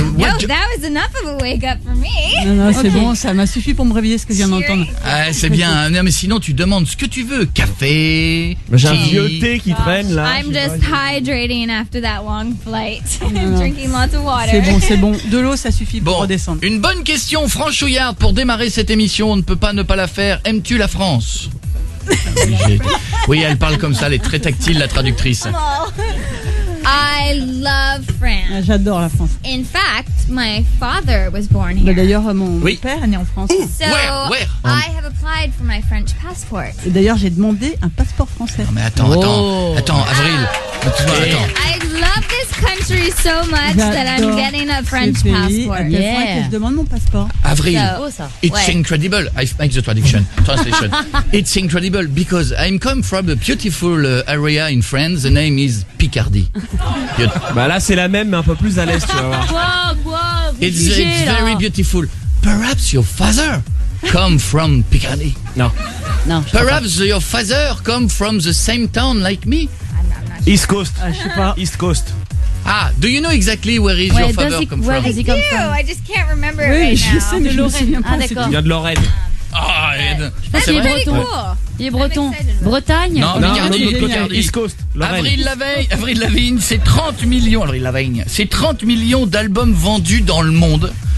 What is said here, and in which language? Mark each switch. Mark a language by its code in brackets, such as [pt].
[en] No, that was enough of a wake up for me. [fr] Non, c'est okay. Bon, ça m'a suffi pour me réveiller ce que je viens d'entendre. Ah, c'est bien. Non, mais sinon, tu demandes ce que tu veux. Café, j'ai un vieux thé qui traîne là. [en] I'm just hydrating after that long flight. Drinking lots of water. [fr] C'est bon. De l'eau, ça suffit pour redescendre. Une bonne question franchouillarde pour démarrer cette émission. On ne peut pas ne pas la faire. Aimes-tu la France? Oui, elle parle comme ça. Elle est très tactile, la traductrice. [en] I love France. [fr] J'adore la France. [en] In fact, my father was born here. [fr] D'ailleurs, mon père est né en France. [en] Ooh, so where? I have applied for my French passport. [fr] Et d'ailleurs, j'ai demandé un passeport français. Non, mais attends, Avril. [en] I love this country so much that I'm getting a French passport. [fr] Yeah. Je demande mon passeport. [en] Avril, it's incredible. I make the translation. It's incredible because I'm come from a beautiful area in France. The name is Picardy. [fr] Bah là, c'est la même, mais un peu plus à l'est, tu vas voir. [en] It's very beautiful. Perhaps your father come from Picardy. [fr] Non. [en] Perhaps your father come from the same town like me. East Coast. [fr] Je sais pas. [en] East Coast. Ah, do you know exactly where is your father come from? I do. I just can't remember it right now. [fr] Oui, je sais, mais je me souviens pas. Il vient de Lorraine. Ah, il est breton. Il est breton. Bretagne. Non, East Coast. Avril Lavigne, c'est 30 millions. Avril Lavigne, c'est 30 millions d'albums vendus dans le monde.